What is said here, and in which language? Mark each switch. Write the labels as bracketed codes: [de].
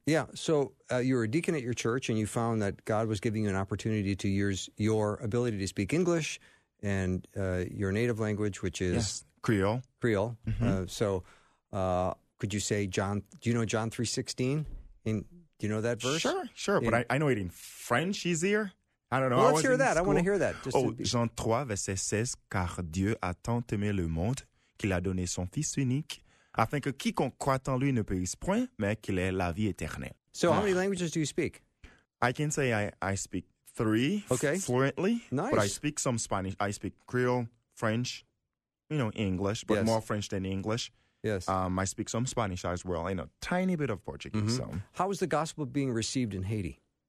[en] Yeah, so you were a deacon at your church, and you found that God was giving you an opportunity to use your ability to speak English and your native language, which is... Yes. Creole. Creole. Mm-hmm. Could you say John... Do you know John 3:16? Do you know that verse? Sure, but I know it in French easier. I don't know. Well, let's hear that. School. I want to hear that. [fr] Just Jean 3, verset 16, car Dieu a tant aimé le monde qu'il a donné son fils unique. Afin que quiconque croit en lui ne périsse point, mais qu'il ait la vie éternelle. [en] So how many languages do you speak? I can say I speak three fluently. Nice. But I speak some Spanish. I speak Creole, French, you know, English, but yes. More French than English. Yes. I speak some Spanish as well and a tiny bit of Portuguese. Mm-hmm. So. How is the gospel being received in Haiti?